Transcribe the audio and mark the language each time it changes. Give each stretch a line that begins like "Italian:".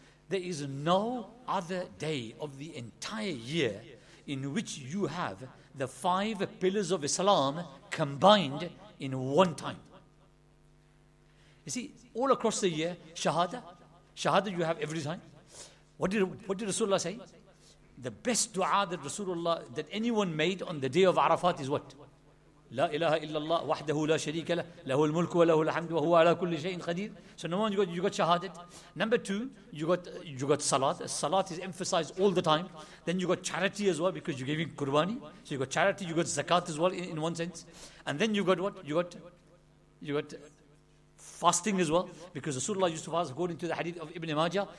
English: There is no other day of the entire year in which you have the five pillars of Islam combined in one time. You see, all across the year, shahada you have every time. What did Rasulullah say? The best dua that Rasulullah, that anyone made on the day of Arafat is what?
Arabic: لا إله إلا الله وحده لا شريك له له الملك وله الحمد وهو على كل شيء قدير.
English: So number one, you got shahadat. Number two, you got salat. Salat is emphasized all the time. Then you got charity as well because you're giving qurbani. So you got charity, you got zakat as well in one sense. And then you got what? You got fasting as well, because Rasulullah used to fast according to the hadith of Ibn Majah.